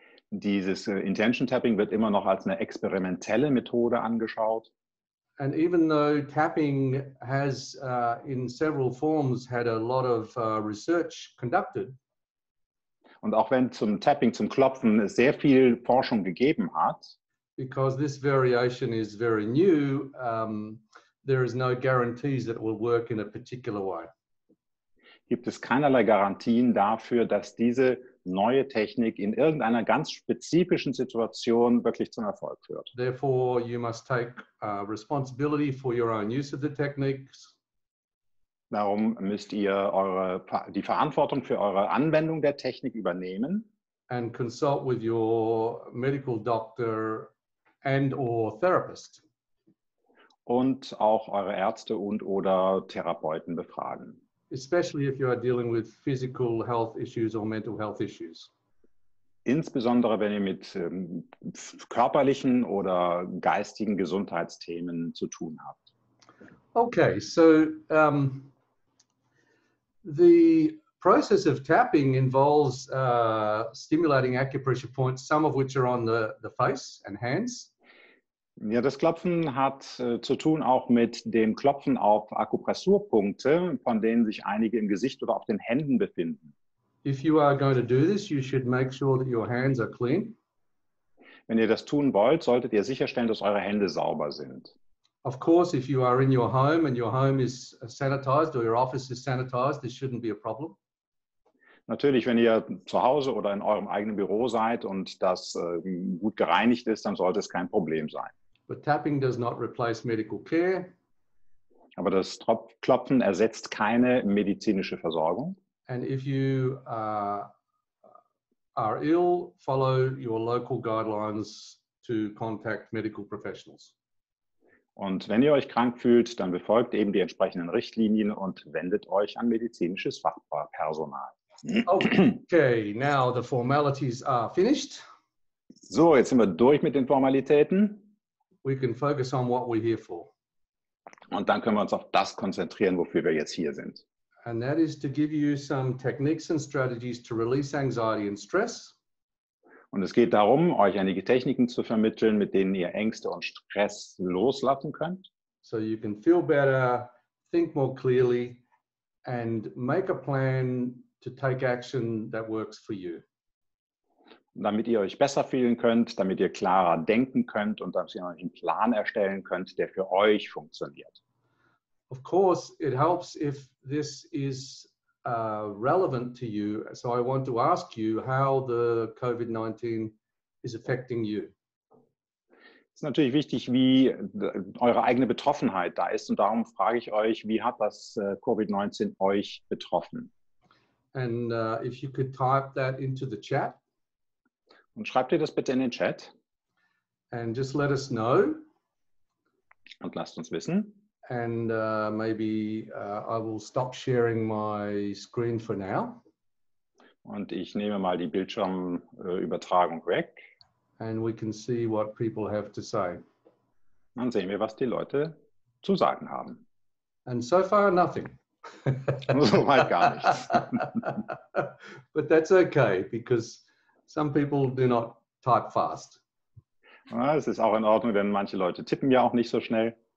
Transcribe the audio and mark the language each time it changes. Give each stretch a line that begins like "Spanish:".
German: Dieses Intention Tapping wird immer noch als eine experimentelle Methode angeschaut.
English: And even though tapping has in several forms had a lot of research conducted.
German: Und auch wenn zum Tapping, zum Klopfen sehr viel Forschung gegeben hat.
English: Because this variation is very new, there is no guarantees that it will work in a particular way.
German: Gibt es keinerlei Garantien dafür, dass diese neue Technik in irgendeiner ganz spezifischen Situation wirklich zum Erfolg führt.
English: Therefore, you must take responsibility for your own use of the techniques.
German: Darum müsst ihr die Verantwortung für eure Anwendung der Technik übernehmen.
English: And consult with your medical doctor and or therapist.
German: Und auch eure Ärzte und oder Therapeuten befragen.
English: Especially if you are dealing with physical health issues or mental health issues.
German: Insbesondere wenn ihr mit körperlichen oder geistigen Gesundheitsthemen zu tun habt.
English: Okay, so the process of tapping involves stimulating acupressure points, some of which are on the face and hands.
German: Ja, das Klopfen hat zu tun auch mit dem Klopfen auf Akupressurpunkte, von denen sich einige im Gesicht oder auf den Händen befinden.
English: If you are going to do this, you should make sure that your hands are clean.
German: Wenn ihr das tun wollt, solltet ihr sicherstellen, dass eure Hände sauber sind.
English: Of course, if you are in your home and your home is sanitized or your office is sanitized, this shouldn't be a problem.
German: Natürlich, wenn ihr zu Hause oder in eurem eigenen Büro seid und das gut gereinigt ist, dann sollte es kein Problem sein.
English: But tapping does not replace medical care.
German: Aber das Klopfen ersetzt keine medizinische Versorgung.
English: And if you are ill, follow your local guidelines to contact medical professionals.
German: Und wenn ihr euch krank fühlt, dann befolgt eben die entsprechenden Richtlinien und wendet euch an medizinisches Fachpersonal.
English: Okay, now the formalities are finished.
German: So, jetzt sind wir durch mit den Formalitäten.
English: We can focus on what we're here for.
German: Und dann können wir uns auf das konzentrieren, wofür wir jetzt hier sind.
English: And that is to give you some techniques and strategies to release anxiety and stress.
German: Und es geht darum, euch einige Techniken zu vermitteln, mit denen ihr Ängste und Stress loslassen könnt.
English: So you can feel better, think more clearly and make a plan to take action that works for you.
German: Damit ihr euch besser fühlen könnt, damit ihr klarer denken könnt und damit ihr einen Plan erstellen könnt, der für euch funktioniert.
English: Of course, it helps if this is relevant to you. So I want to ask you how the COVID-19 is affecting you.
German: Es ist natürlich wichtig, wie eure eigene Betroffenheit da ist. Und darum frage ich euch, wie hat das COVID-19 euch betroffen?
English: And if you could type that into the chat.
German: Und schreibt ihr das bitte in den Chat.
English: And just let us know.
German: Und lasst uns wissen.
English: And maybe I will stop sharing my screen for now.
German: Und ich nehme mal die Bildschirmübertragung weg.
English: And we can see what people have to say.
German: Dann sehen wir, was die Leute zu sagen haben.
English: And so far nothing.
German: So weit gar nichts.
English: But that's okay, because some people do not type fast.
German: Ja, es ist auch in Ordnung, denn manche Leute tippen ja auch nicht so schnell.